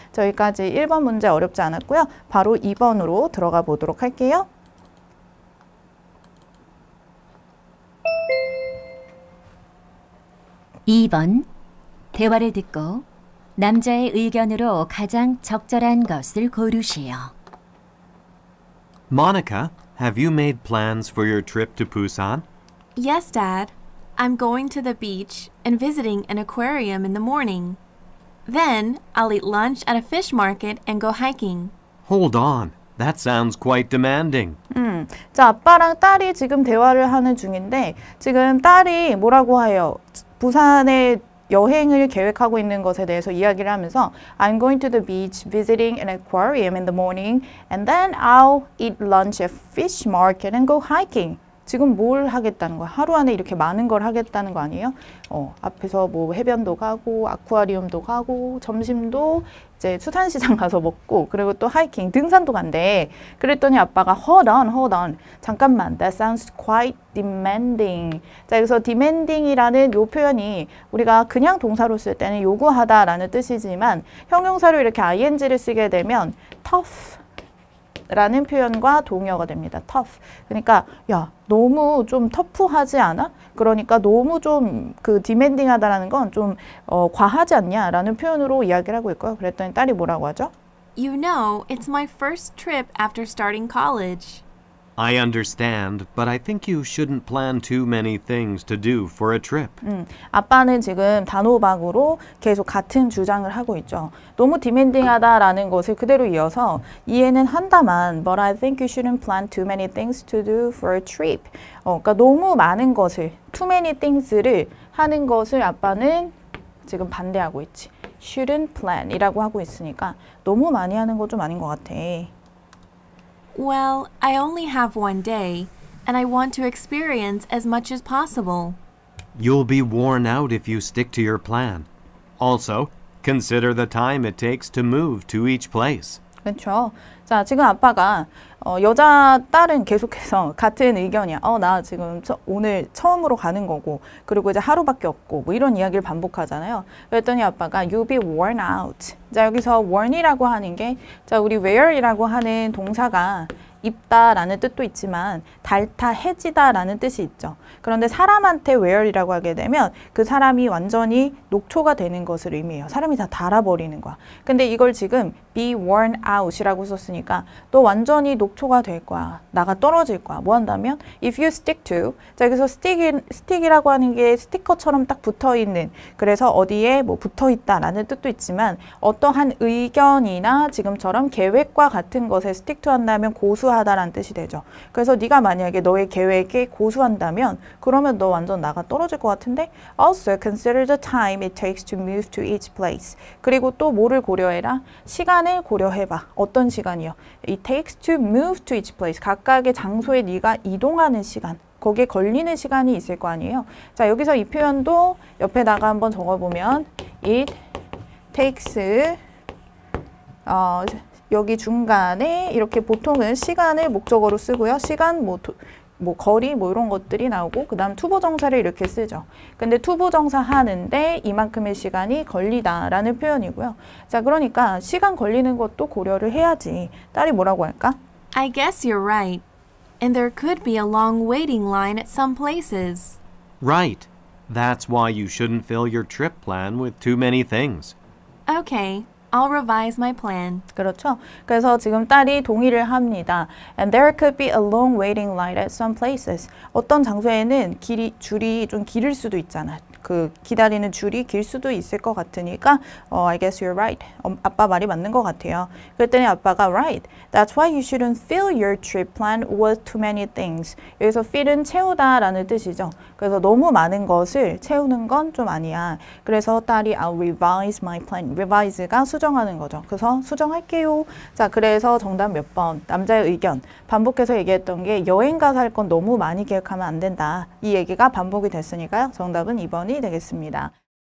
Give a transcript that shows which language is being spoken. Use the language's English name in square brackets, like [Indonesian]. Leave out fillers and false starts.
[Korean] 저희까지 1번 문제 어렵지 않았고요. 바로 2번으로 들어가 보도록 할게요. 2번 대화를 듣고 남자의 의견으로 가장 적절한 것을 고르시오. [English] Monica, have you made plans for your trip to Busan? Yes, Dad. I'm going to the beach and visiting an aquarium in the morning. Then I'll eat lunch at a fish market and go hiking. Hold on. That sounds quite demanding. [Korean] 자, 아빠랑 딸이 지금 대화를 하는 중인데, 지금 딸이 뭐라고 해요? 부산에 여행을 계획하고 있는 것에 대해서 이야기를 하면서 [English] I'm going to the beach visiting an aquarium in the morning and then I'll eat lunch at fish market and go hiking. [Korean] 지금 뭘 하겠다는 거야? 하루 안에 이렇게 많은 걸 하겠다는 거 아니에요? 앞에서 뭐 해변도 가고 아쿠아리움도 가고 점심도 이제 수산시장 가서 먹고 그리고 또 하이킹, 등산도 간대. 그랬더니 아빠가 [English] Hold on. [Korean] 잠깐만. [English] That sounds quite demanding. [Korean] 자, 여기서 demanding이라는 요 표현이 우리가 그냥 동사로 쓸 때는 요구하다라는 뜻이지만 형용사로 이렇게 ing를 쓰게 되면 tough 라는 표현과 동의어가 됩니다. [English] tough. [Korean] 그러니까 야, 너무 좀 터프하지 않아? 그러니까 너무 좀 그 demanding하다라는 건 좀 과하지 않냐라는 표현으로 이야기를 하고 있고요. 그랬더니 딸이 뭐라고 하죠? [English] You know, it's my first trip after starting college. I understand, but I think you shouldn't plan too many things to do for a trip. [Korean] 아빠는 지금 단호박으로 계속 같은 주장을 하고 있죠. 너무 demanding하다라는 것을 그대로 이어서 이해는 한다만, [English] but I think you shouldn't plan too many things to do for a trip. [Korean] 그러니까 너무 많은 것을, [English] too many things [Korean] 를 하는 것을 아빠는 지금 반대하고 있지. [English] shouldn't plan [Korean] 이라고 하고 있으니까 너무 많이 하는 것 좀 아닌 것 같아. [English] Well, I only have one day, and I want to experience as much as possible. You'll be worn out if you stick to your plan. Also, consider the time it takes to move to each place. [Korean] 그렇죠. 자, 지금 아빠가 여자 딸은 계속해서 같은 의견이야. 나 지금 오늘 처음으로 가는 거고 그리고 이제 하루밖에 없고 뭐 이런 이야기를 반복하잖아요. 그랬더니 아빠가 [English] You'll be worn out. [Korean] 자, 여기서 worn이라고 하는 게 자, 우리 wear이라고 하는 동사가 입다라는 뜻도 있지만 닳다, 해지다라는 뜻이 있죠. 그런데 사람한테 wear이라고 하게 되면 그 사람이 완전히 녹초가 되는 것을 의미해요. 사람이 다 닳아버리는 거야. 근데 이걸 지금 [English] be worn out [Korean] 이라고 썼으니까 너 완전히 녹초가 될 거야. 나가 떨어질 거야. 뭐 한다면? [English] If you stick to, [Korean] 자, 여기서 stick이라고 하는 게 스티커처럼 딱 붙어있는 그래서 어디에 뭐 붙어있다라는 뜻도 있지만 어떠한 의견이나 지금처럼 계획과 같은 것에 stick to 한다면 고수하다라는 뜻이 되죠. 그래서 네가 만약에 너의 계획에 고수한다면 그러면 너 완전 나가 떨어질 것 같은데? [English] Also, consider the time it takes to move to each place. [Korean] 그리고 또 뭐를 고려해라? 시간을 고려해봐. 어떤 시간이요? [English] It takes to move to each place. [Korean] 각각의 장소에 네가 이동하는 시간. 거기에 걸리는 시간이 있을 거 아니에요? 자, 여기서 이 표현도 옆에다가 한번 적어보면 [English] It takes [Korean] 여기 중간에 이렇게 보통은 시간을 목적어로 쓰고요. 시간, 뭐 거리, 뭐 이런 것들이 나오고 그 다음 투부정사를 이렇게 쓰죠. 근데 투부정사 하는데 이만큼의 시간이 걸리다라는 표현이고요. 자, 그러니까 시간 걸리는 것도 고려를 해야지. 딸이 뭐라고 할까? [English] I guess you're right. And there could be a long waiting line at some places. Right. That's why you shouldn't fill your trip plan with too many things. Okay. I'll revise my plan. [Korean] 그렇죠. 그래서 지금 딸이 동의를 합니다. [English] And there could be a long waiting line at some places. [Korean] 어떤 장소에는 길이 줄이 좀 길을 수도 있잖아. 그 기다리는 줄이 길 수도 있을 것 같으니까 [English] I guess you're right. [Korean] 아빠 말이 맞는 것 같아요. 그랬더니 아빠가 right. [English] That's why you shouldn't fill your trip plan with too many things. [Korean] 여기서 fill은 채우다 라는 뜻이죠. 그래서 너무 많은 것을 채우는 건 좀 아니야. 그래서 딸이 [English] I'll revise my plan. [Korean] Revise가 수정하는 거죠. 그래서 수정할게요. 자, 그래서 정답 몇 번. 남자의 의견. 반복해서 얘기했던 게 여행 가서 할 건 너무 많이 계획하면 안 된다. 이 얘기가 반복이 됐으니까요. 정답은 2번이 되겠습니다.